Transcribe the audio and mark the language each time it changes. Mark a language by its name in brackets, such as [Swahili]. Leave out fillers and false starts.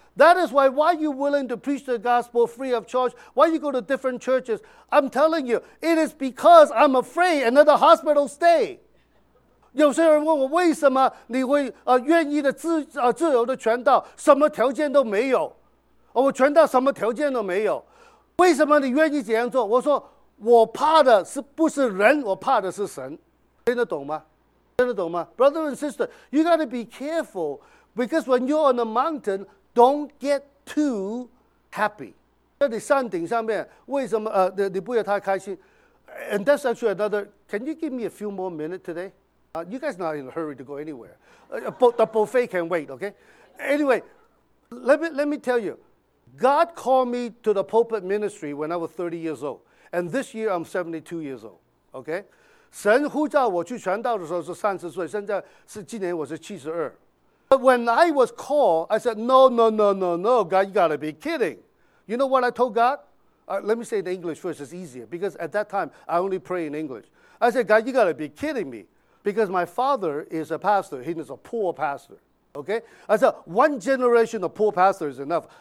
[English] That is why are you willing to preach the gospel free of charge? Why you go to different churches? I'm telling you, it is because I'm afraid another hospital stay. [Chinese] 有些人问我，为什么你会愿意的自由的传道，什么条件都没有？我传道什么条件都没有，为什么你愿意这样做？我说我怕的是不是人，我怕的是神，听得懂吗？听得懂吗 [English] ？Brother and sister, you gotta be careful, because when you're on the mountain, don't get too happy. [Chinese] 在你山顶上面，为什么你不要太开心？ [English] And that's actually another. Can you give me a few more minutes today? You guys are not in a hurry to go anywhere. The buffet can wait, okay? Anyway, let me tell you. God called me to the pulpit ministry when I was 30 years old. And this year, I'm 72 years old, okay? [Chinese] 神呼召我去传道的时候是30岁, 现在是今年我是72. [English] But when I was called, I said, no, God, you got to be kidding. You know what I told God? Let me say it in English first, it's easier, because at that time, I only pray in English. I said, God, you got to be kidding me, because my father is a pastor. He is a poor pastor. Okay, I said, one generation of poor pastor is enough.